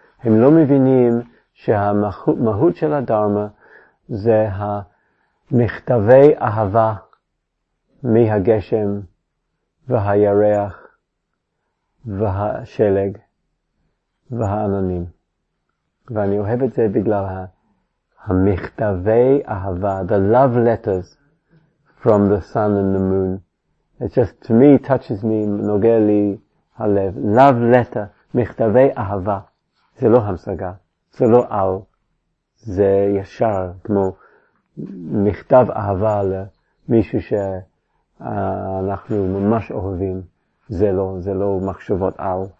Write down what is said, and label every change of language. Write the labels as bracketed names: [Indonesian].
[Hebrew] הם לא מבינים שהמהות של הדרמה זה המכתבי אהבה מהגשם והירח והשלג והעננים. ואני אוהב את זה בגלל המכתבי אהבה, [English] the love letters from the sun and the moon. It just, to me, touches me, [Hebrew] נוגע לי הלב. [English] Love letter, [Hebrew] מכתבי אהבה. זה לא המשגה, זה לא על, זה ישר, כמו מכתב אהבה למישהו שאנחנו ממש אוהבים. זה לא מחשבות על.